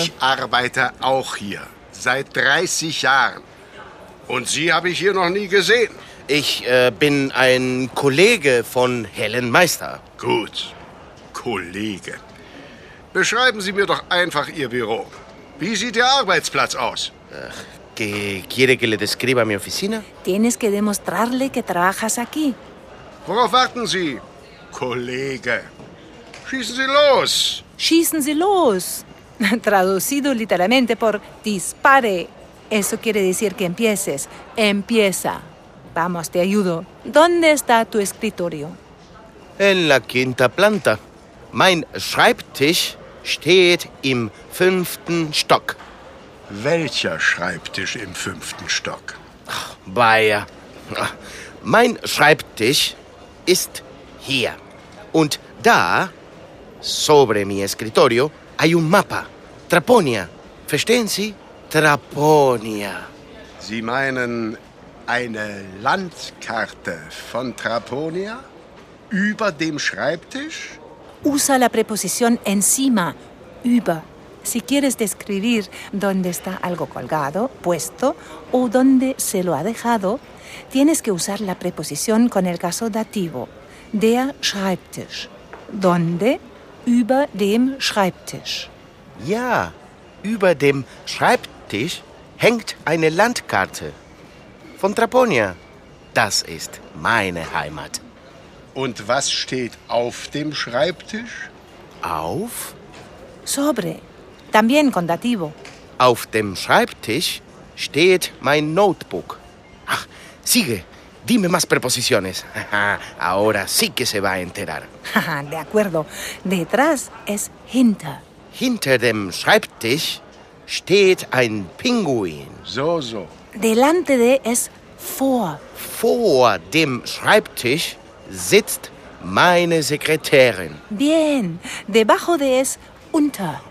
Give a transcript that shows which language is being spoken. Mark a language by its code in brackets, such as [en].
[de] Ich arbeite auch hier. Seit 30 Jahren. Und Sie habe ich hier noch nie gesehen. Ich bin ein Kollege von Helen Meister. Gut. Kollege. Beschreiben Sie mir doch einfach Ihr Büro. Wie sieht Ihr Arbeitsplatz aus? [es] ¿Qué quiere que le describa mi oficina? Tienes que demostrarle que trabajas aquí. [de] Worauf warten Sie, Kollege? Schießen Sie los. Schießen Sie los. [es] Traducido literalmente por dispare. Eso quiere decir que empieces. Empieza. Vamos, te ayudo. ¿Dónde está tu escritorio? En la quinta planta. [de] Mein Schreibtisch steht im fünften Stock. Welcher Schreibtisch im fünften Stock? [es] Vaya. [de] Mein Schreibtisch ist hier. Und da, [es] sobre mi escritorio, hay un mapa. [de] Traponia. Verstehen Sie? Traponia. Sie meinen eine Landkarte von Traponia über dem Schreibtisch? [es] Usa la preposición encima, über. Si quieres describir dónde está algo colgado, puesto, o dónde se lo ha dejado, tienes que usar la preposición con el caso dativo. [de] Der Schreibtisch. [es] ¿Dónde? [de] Über dem Schreibtisch. Ja, über dem Schreibtisch hängt eine Landkarte. Von Traponia. Das ist meine Heimat. Und was steht auf dem Schreibtisch? Auf? [es] Sobre. También con dativo. [de] Auf dem Schreibtisch steht mein Notebook. [es] Ach, sigue. Dime más preposiciones. Ahora sí que se va a enterar. De acuerdo. Detrás es hinter. [de] Hinter dem Schreibtisch steht ein Pinguin. So, so. [es] Delante de es vor. [de] Vor dem Schreibtisch sitzt meine Sekretärin. [es] Bien. Debajo de es unter.